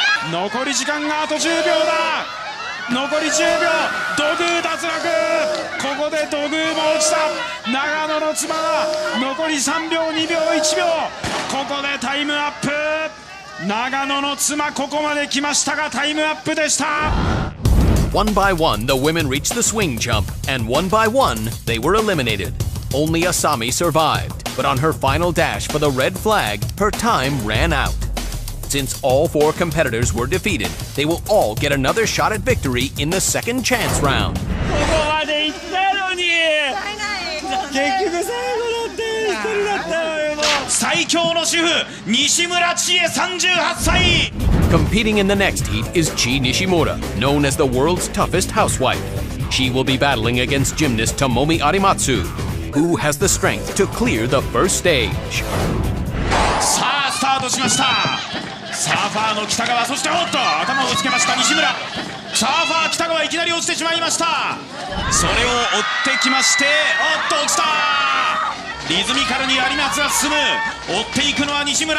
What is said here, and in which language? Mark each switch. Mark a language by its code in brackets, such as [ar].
[ja] 残り時間があと10秒だ。残り10秒、土偶脱落。ここで土偶も落ちた。長野の妻は残り3秒、2秒、1秒。ここでタイムアップ。長野の妻、ここまで来ましたがタイムアップでした。 [en] One by one the women reached the swing jump, and one by one they were eliminated. Only Asami survived, but on her final dash for the red flag, her time ran out. Since all four competitors were defeated, they will all get another shot at victory in the second chance round. [ja] ここまで行ったのに。結局最後だって一人だったよ。最強の主婦、西村千恵38歳。 [en] Competing in the next heat is Chi Nishimura, known as the world's toughest housewife. She will be battling against gymnast Tomomi Arimatsu, who has the strength to clear the first stage. [ja] さあ、スタートしました。サーファーの北川、そしておっと頭を打ちつけました西村。サーファー北川いきなり落ちてしまいました。それを追ってきまして、おっと落ちた。リズミカルに有松は進む。追っていくのは西村。